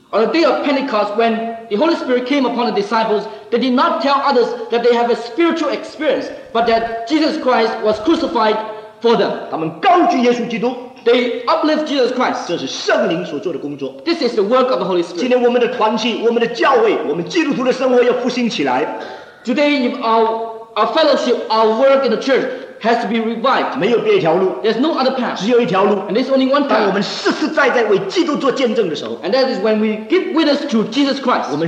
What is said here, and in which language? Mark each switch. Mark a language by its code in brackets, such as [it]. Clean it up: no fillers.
[en] On the day of Pentecost, when the Holy Spirit came upon the disciples, they did not tell others that they have a spiritual experience, but that Jesus Christ was crucified for them. [zh] 他们高举耶稣基督。 [en] They uplift Jesus Christ. [zh] 这是圣灵所做的工作。 [en] This is the work of the Holy Spirit. [zh] 今天我们的团契我们的教会我们基督徒的生活要复兴起来。 [en] Today our fellowship, our work in the church has to be revived. [zh] 没有别条路。 [en] There's no other path. [zh] 只有一条路。 [en] And there's only one path. [zh] 当我们实实在在为基督做见证的时候。 [en] And that is when we give witness to Jesus Christ.